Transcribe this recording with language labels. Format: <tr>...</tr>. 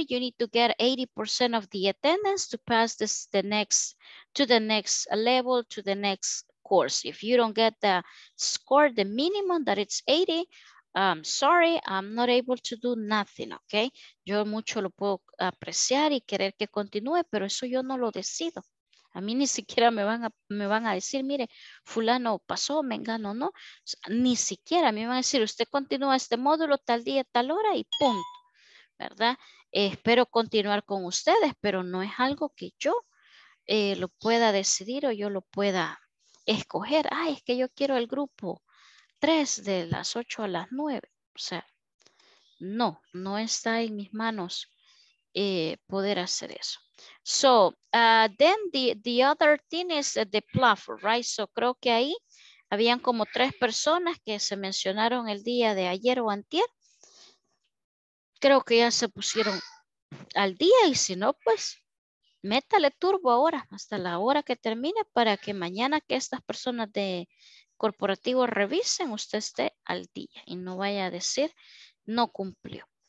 <en>You need to get 80% of the attendance to pass this to the next level, to the next course. If you don't get the score, the minimum that it's 80, sorry, I'm not able to do nothing, okay?</en> <es>Yo mucho lo puedo apreciar y querer que continúe, pero eso yo no lo decido. A mí ni siquiera me van a decir, mire, fulano pasó, mengano, no. Ni siquiera me van a decir, usted continúa este módulo tal día, tal hora y punto. ¿Verdad? Espero continuar con ustedes, pero no es algo que yo lo pueda decidir o yo lo pueda escoger. Ay, es que yo quiero el grupo 3 de las 8 a las 9. O sea, no, no está en mis manos poder hacer eso.</es> <en>So, then the other thing is the platform, right?</en> <es>So, creo que ahí habían como 3 personas que se mencionaron el día de ayer o antier. Creo que ya se pusieron al día y si no, pues, métale turbo ahora, hasta la hora que termine para que mañana que estas personas de corporativo revisen, usted esté al día y no vaya a decir, no cumplió.</es>